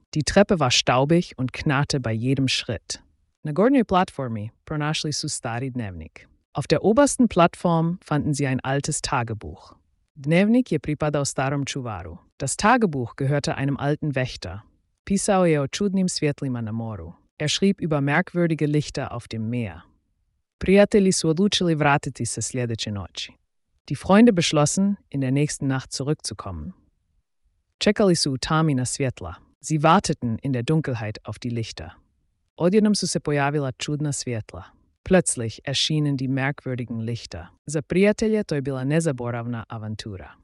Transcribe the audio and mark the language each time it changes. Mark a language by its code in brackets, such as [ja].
[de] Die Treppe war staubig und knarrte bei jedem Schritt. [hr] Na gornjoj platformi pronašli su stari dnevnik. [de] Auf der obersten Plattform fanden sie ein altes Tagebuch. [hr] Dnevnik je pripadao starom čuvaru. [de] Das Tagebuch gehörte einem alten Wächter. [hr] Pisao je o čudnim svjetlima na moru. [de] Er schrieb über merkwürdige Lichter auf dem Meer. [hr] Prijatelji su odlučili vratiti se sljedeće noći. [de] Die Freunde beschlossen, in der nächsten Nacht zurückzukommen. [hr] Čekali su u tami na svjetla. [de] Sie warteten in der Dunkelheit auf die Lichter. [hr] Odjednom su se pojavila čudna svjetla. [de] Plötzlich erschienen die merkwürdigen Lichter. [hr] Za prijatelje to je bila nezaboravna avantura.